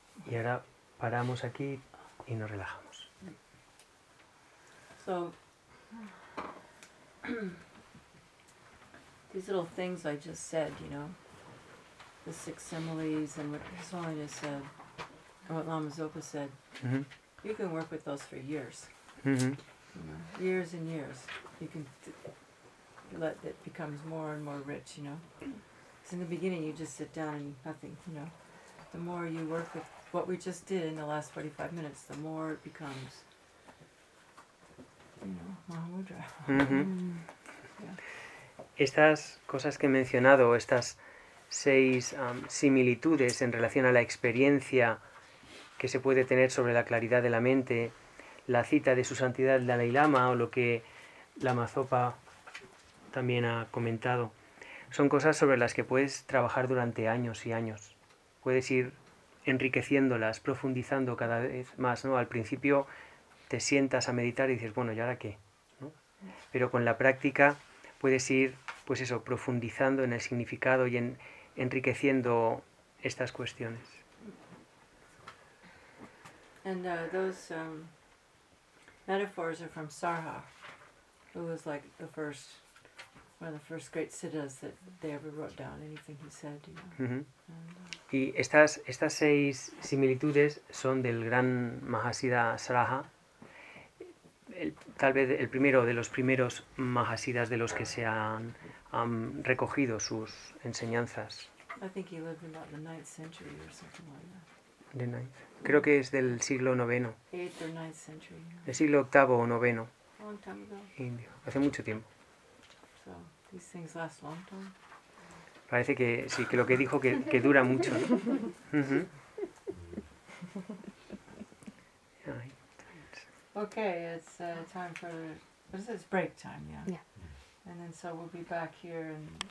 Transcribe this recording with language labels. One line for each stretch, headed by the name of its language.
Spanish: Y ahora paramos aquí y nos relajamos.
English: So these little things I just said, you know, the six similes and what His Holiness said and what Lama Zopa said, you can work with those for years. Years and years. You can let it becomes more and more rich, you know. In the beginning, you just sit down and nothing, you know. The more you work with what we just did in the last 45 minutes, the more it becomes, you know, Mahamudra. Yeah.
Spanish: Estas cosas que he mencionado, estas seis similitudes en relación a la experiencia que se puede tener sobre la claridad de la mente, la cita de su santidad Dalai Lama o lo que Lama Zopa también ha comentado, son cosas sobre las que puedes trabajar durante años y años. Puedes ir enriqueciéndolas, profundizando cada vez más, ¿no? Al principio te sientas a meditar y dices, bueno, ¿y ahora qué? ¿No? Pero con la práctica puedes ir, pues eso, profundizando en el significado y enriqueciendo estas cuestiones.
English: And those metaphors are from Sarha, who was like the first, one of the first great siddhas that they ever wrote down anything he said, you know.
Spanish: Y estas seis similitudes son del gran Mahasiddha Saraha, tal vez el primero de los primeros Mahasiddhas de los que se han recogido sus enseñanzas.
English: I think he lived in about the 9th century or something like that. The 9th.
Spanish: Creo que es del siglo IX.
English: 8th or 9th century. Yeah.
Spanish: El siglo VIII o IX.
English: Long time ago.
Spanish: Indio. Hace mucho tiempo.
English: So, these things last long time.
Spanish: Parece que sí, que lo que dijo que dura mucho, ¿no?
English: Okay, it's time for, what is it? It's break time, yeah. Yeah. And then so we'll be back here and